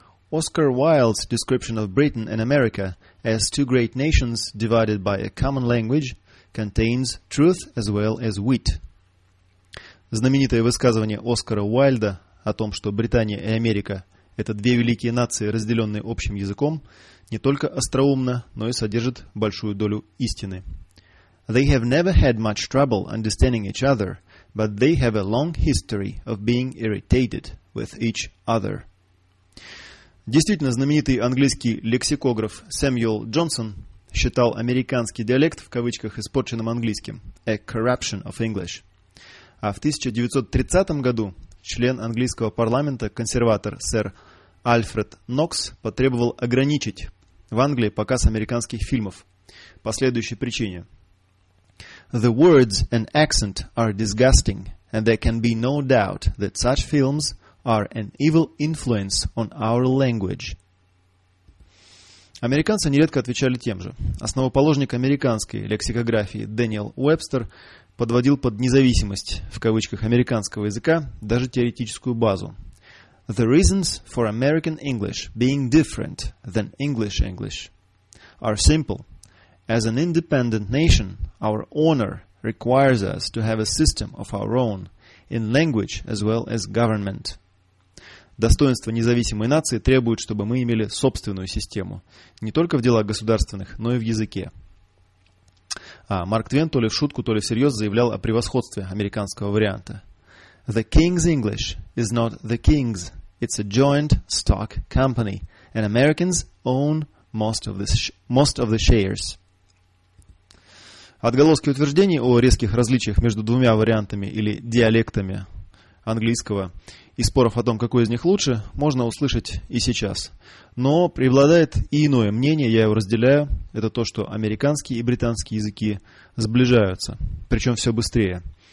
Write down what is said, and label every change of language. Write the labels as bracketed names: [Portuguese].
[English] Oscar Wilde's description of Britain and America as two great nations divided by a common language contains truth as well as wit. [Russian] Знаменитое высказывание Оскара Уайльда о том, что Британия и Америка – это две великие нации, разделенные общим языком, не только остроумно, но и содержит большую долю истины. [English] They have never had much trouble understanding each other, but they have a long history of being irritated with each other. [Russian] Действительно, знаменитый английский лексикограф Сэмюэл Джонсон считал американский диалект в кавычках испорченным английским «a corruption of English». А в 1930 году член английского парламента, консерватор сэр Альфред Нокс потребовал ограничить в Англии показ американских фильмов по следующей причине. [English] The words and accent are disgusting, and there can be no doubt that such films are an evil influence on our language. [Russian] Американцы нередко отвечали тем же. Основоположник американской лексикографии Дэниел Уэбстер подводил под независимость, в кавычках, американского языка даже теоретическую базу. [English] The reasons for American English being different than English English are simple. As an independent nation, our honor requires us to have a system of our own in language as well as government. [Russian] Достоинство независимой нации требует, чтобы мы имели собственную систему, не только в делах государственных, но и в языке. А Марк Твен то ли в шутку, то ли всерьез заявлял о превосходстве американского варианта. [English] The King's English is not the King's. It's a joint stock company, and Americans own most of the shares. [Russian] Отголоски утверждений о резких различиях между двумя вариантами или диалектами английского и споров о том, какой из них лучше, можно услышать и сейчас. Но преобладает и иное мнение, я его разделяю, это то, что американские и британские языки сближаются, причем все быстрее.